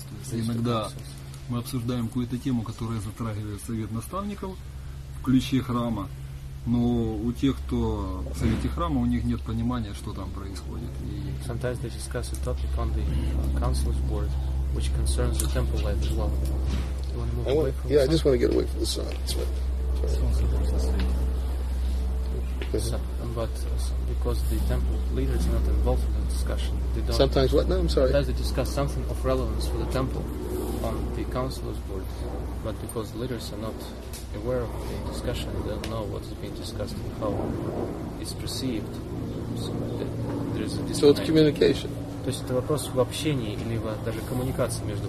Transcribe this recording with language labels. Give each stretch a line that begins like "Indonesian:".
Russian: иногда мы обсуждаем какую-то тему, которая затрагивает совет наставников в ключе храма. Но у тех, кто в совете храма, у них нет понимания, что там происходит. И
English: sometimes they discuss a topic on the council's board, which concerns the temple life as well. I just want to get away from the sun. Mm-hmm. But because the temple leaders are not involved in the discussion, they don't. Sometimes what? No, I'm sorry. Sometimes they discuss something of relevance for the temple on the council's board, but because the leaders are not aware of the discussion, they don't know what is being discussed and how it's perceived. So there is a disconnect. So it's communication.
Russian: То есть это вопрос в общении или даже коммуникации между